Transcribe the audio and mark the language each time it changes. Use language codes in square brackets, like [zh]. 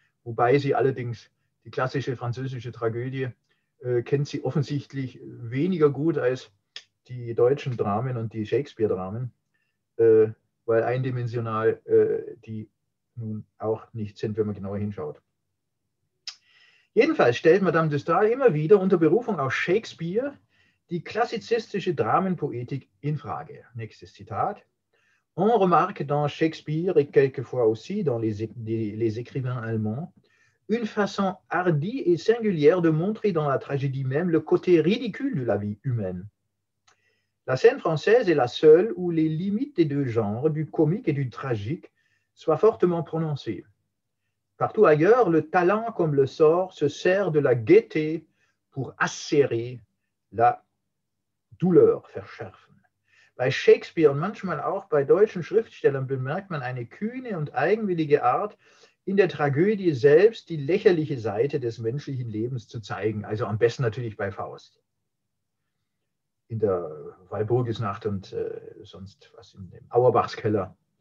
[de] Wobei sie allerdings die klassische französische Tragödie kennt sie offensichtlich weniger gut als die deutschen Dramen und die Shakespeare-Dramen, weil eindimensional die nun auch nicht sind, wenn man genauer hinschaut. Jedenfalls stellt Madame de Staël immer wieder unter Berufung auf Shakespeare die klassizistische Dramenpoetik in Frage. Nächstes Zitat. [fr] On remarque dans Shakespeare et quelquefois aussi dans les écrivains allemands une façon hardie et singulière de montrer dans la tragédie même le côté ridicule de la vie humaine. La scène française est la seule où les limites des deux genres, du comique et du tragique, soient fortement prononcées. Partout ailleurs, le talent comme le sort se sert de la gaieté pour acérer la douleur, [de] verschärfen. Bei Shakespeare und manchmal auch bei deutschen Schriftstellern bemerkt man eine kühne und eigenwillige Art, in der Tragödie selbst die lächerliche Seite des menschlichen Lebens zu zeigen. Also am besten natürlich bei Faust. In der Walburgisnacht und sonst was in dem Auerbachs Keller.